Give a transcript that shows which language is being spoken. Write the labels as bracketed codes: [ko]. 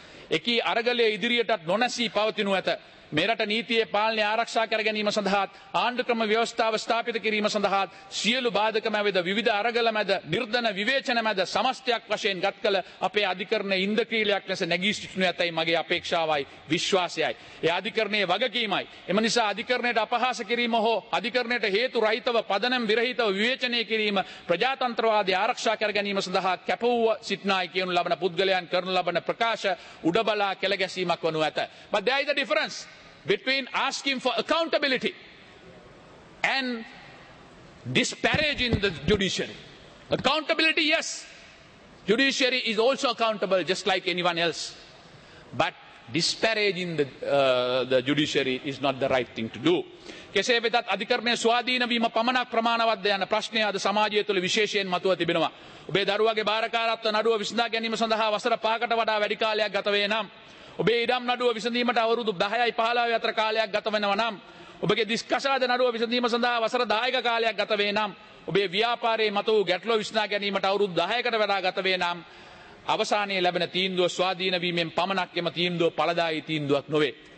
[si] එකී අරගලයේ ඉදිරියටත් නොනැසී පවතිනු ඇත. මෙරට නීතියේ පාලනය ආරක්ෂා කර ගැනීම සඳහා ආණ්ඩු ක්‍රම ව්‍යවස්ථාව ස්ථාපිත කිරීම සඳහා සියලු බාධක මැද විවිධ අරගල මැද නිර්ධන විවේචන මැද සමස්තයක් වශයෙන් ගත් කළ අපේ අධිකරණ ඉන්ද්‍රක්‍රීලයක් ලෙස නැගී සිටිනු ඇතයි මගේ අපේක්ෂාවයි විශ්වාසයයි. ඒ අධිකරණයේ වගකීමයි. එම නිසා අධිකරණයට අපහාස කිරීම හෝ අධිකරණයට හේතු රහිතව පදනම් විරහිතව විවේචනය කිරීම ප්‍රජාතන්ත්‍රවාදය ආරක්ෂා කර ගැනීම සඳහා කැපවුව සිටනායි කියනු ලබන පුද්ගලයන් කරනු ලබන ප්‍රකාශ උඩබලා කෙළ ගැසීමක් වනු ඇත. [en] But there is a difference between asking for accountability and disparaging the judiciary. Accountability, yes. Judiciary is also accountable just like anyone else. But disparaging the judiciary is not the right thing to do. [si] කෙසේ වෙතත් අධිකරණයේ ස්වාධීන වීම පමණක් ප්‍රමාණවත්ද යන ප්‍රශ්නය අද සමාජය තුළ විශේෂයෙන් මතුව තිබෙනවා. ඔබේ දරුවාගේ භාරකාරත්ව නඩුව විසඳා ගැනීම සඳහා වසර 5කට වඩා වැඩි කාලයක් ගත වේ නම් ඔබේ ඉඩම් නඩුව විසඳීමට අවුරුදු 10යි 15යි අතර කාලයක් ගත වෙනවා නම් ඔබේ දිස්කසාද නඩුව විසඳීම සඳහා වසර 10ක කාලයක් ගත වේ නම් ඔබේ ව්‍යාපාරයේ මතුව ගැටලුව විසඳා ගැනීමට අවුරුදු 10කට වඩා ගත වේ නම් අවසානයේ ලැබෙන තීන්දුව ස්වාධීන වීමෙන් පමණක් එම තීන්දුව ඵලදායී තීන්දුවක් නොවේ.